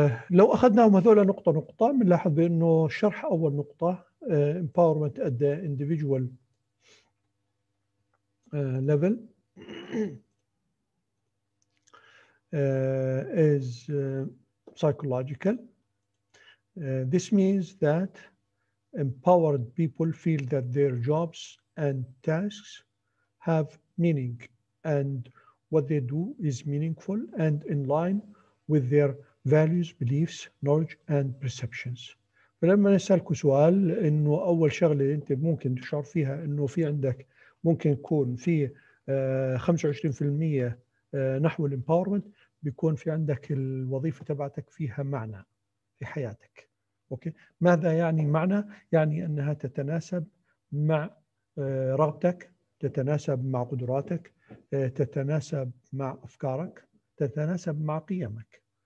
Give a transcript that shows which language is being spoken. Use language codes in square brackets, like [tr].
[ar] لو أخذناهم هذول نقطة نقطة، بنلاحظ بأنه شرح أول نقطة [en] empowerment at the individual level is psychological. This means that empowered people feel that their jobs and tasks have meaning and what they do is meaningful and in line with their values, beliefs, knowledge and perceptions. [ar] فلما نسألكوا سؤال انه اول شغلة انت ممكن تشعر فيها انه في عندك ممكن يكون في 25% نحو الامباورمنت، بيكون في عندك الوظيفة تبعتك فيها معنى في حياتك. اوكي، ماذا يعني معنى؟ يعني انها تتناسب مع رغبتك، تتناسب مع قدراتك، تتناسب مع أفكارك، تتناسب مع قيمك.